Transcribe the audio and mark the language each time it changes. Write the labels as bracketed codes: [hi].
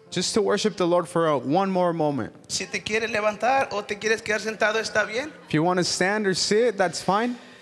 [en] Just to worship the Lord for one more moment. [es] Si te quieres levantar o te quieres quedar sentado, está bien. [en] If you want to stand or sit, that's fine.